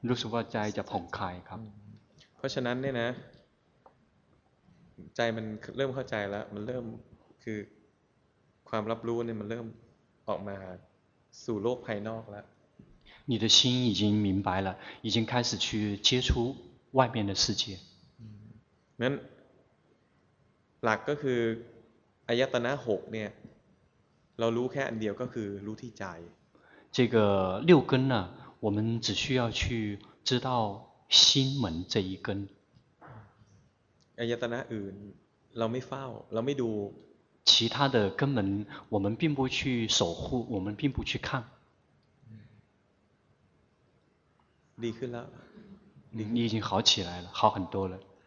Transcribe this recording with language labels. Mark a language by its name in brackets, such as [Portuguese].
[Thai] รู้สึกว่าใจจะผ่องคลายครับ เพราะฉะนั้นเนี่ยนะใจมันเริ่มเข้าใจแล้วมันเริ่มคือความรับรู้เนี่ยมันเริ่มออกมาสู่โลกภายนอกแล้ว [Chinese] 你的心已经明白了已经开始去接触外面的世界 [Thai] นั้นหลักก็คืออายตนะ6เนี่ยเรารู้แค่อันเดียวก็คือรู้ที่ใจ [Chinese] 这个六根呢我们只需要去知道心门这一根 [Thai] อายตนะอื่นเราไม่เฝ้าเราไม่ดู [Chinese] 其他的根门我们并不去守护我们并不去看 [Thai] ดีขึ้นแล้ว [Chinese] 你已经好起来了好很多了